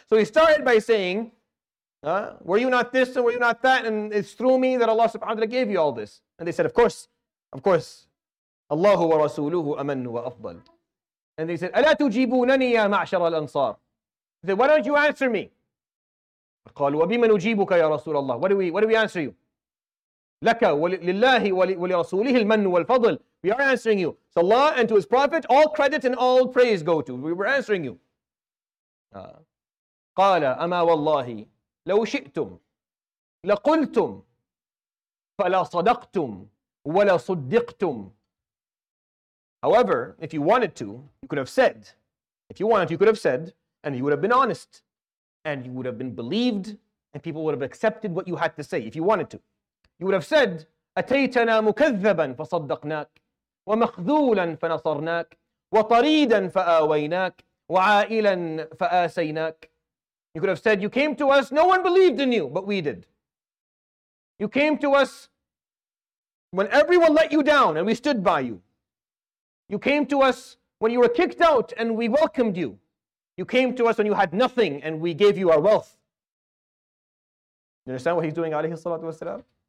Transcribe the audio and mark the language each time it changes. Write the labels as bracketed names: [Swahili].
[English] So he started by saying, were you not this and were you not that? And it's through me that Allah subhanahu wa ta'ala gave you all this. And they said, of course. [Arabic] Allahu wa rasuluhu amanu wa afdal. [English] And they said, [Arabic] ala tujibunani ya ma'ashara al-ansar. [English] He said, why don't you answer me? [Arabic] قالوا وبما نجيبك يا رسول الله. [English] What do we answer you? [Arabic] لك ولله ولرسوله المن والفضل. [English] We are answering you. So Allah and to His Prophet, all credit and all praise go to. We were answering you. [Arabic] قال أما والله لو شئتم لقلتم فلا صدقتم ولا صدقتم. [English] However, if you wanted to, you could have said. If you wanted, you could have said, and you would have been honest. And you would have been believed, and people would have accepted what you had to say, if you wanted to. You would have said, [Arabic] أَتَيْتَنَا مُكَذَّبًا فَصَدَّقْنَاكَ وَمَخْذُولًا فَنَصَرْنَاكَ وَطَرِيدًا فَآوَيْنَاكَ وَعَائِلًا فَآسَيْنَاكَ. [English] You could have said, you came to us, no one believed in you, but we did. You came to us when everyone let you down, and we stood by you. You came to us when you were kicked out, and we welcomed you. You came to us when you had nothing and we gave you our wealth. You understand what he's doing, alayhi salatu wasalam?